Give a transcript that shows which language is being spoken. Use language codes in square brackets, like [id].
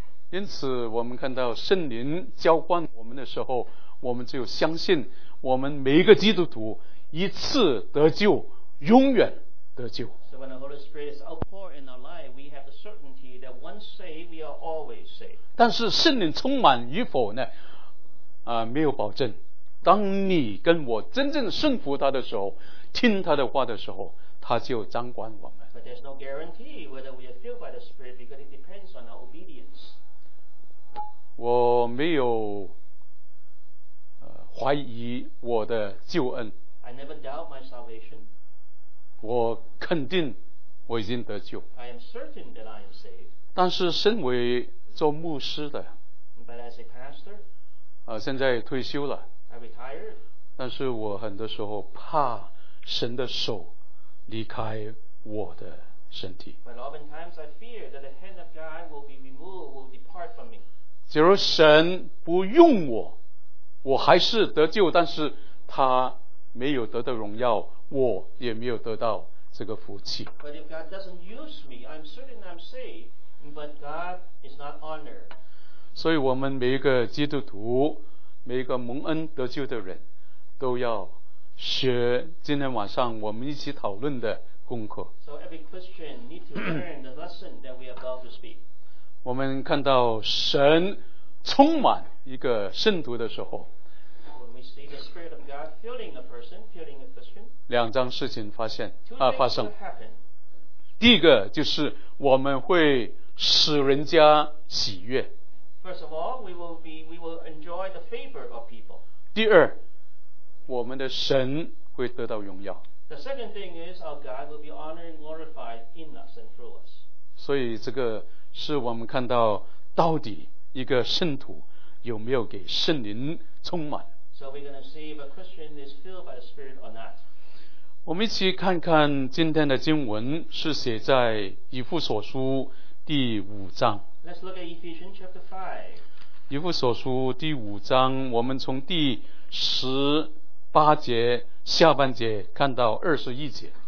[zh] 因此我们看到圣灵浇灌我们的时候我们就相信我们每一个基督徒一次得救永远得救 [en] so when the Holy Spirit is outpoured in our life we have the certainty that once saved we are always saved [zh] 但是圣灵充满与否呢没有保证当你跟我真正顺服他的时候听他的话的时候他就掌管我们 [en] but there's no guarantee whether we are filled by the Spirit because it depends on our obedience [zh] 我没有怀疑我的救恩 [en] I never doubt my salvation [zh] 我肯定我已经得救 [en] I am certain that I am saved. [zh] 但是身为做牧师的 [en] But as a pastor, [zh] 现在退休了 [en] I retired. [zh] 但是我很多时候怕神的手离开我的身体 [en] But oftentimes I fear that the hand of God will be removed, will depart from me. [zh] 假如神不用我我还是得救但是他没有得到荣耀我也没有得到这个福气 [en] but if God doesn't use me I'm certain I'm saved but God is not honored [zh] 所以我们每一个基督徒每一个蒙恩得救的人都要学今天晚上我们一起讨论的功课 [en] so every Christian needs to learn the lesson that we are about to speak [zh] 我们看到神充满一个圣徒的时候 [en] The Spirit of God filling a person, filling a Christian. [zh] 两张事情发现啊发生。第一个就是我们会使人家喜悦。 [en] First of all, we will enjoy the favor of people. [zh] 第二，我们的神会得到荣耀。 [en] The second thing is our God will be honored and glorified in us and through us. [zh] 所以这个是我们看到到底一个圣徒有没有给圣灵充满。 [en] So we're going to see if a Christian is filled by the Spirit or not. [zh] 我们一起看看今天的经文是写在以弗所书第五章。 [en] Let's look at Ephesians chapter 5. [zh] 以弗所书第五章，我们从第十八节下半节看到二十一节。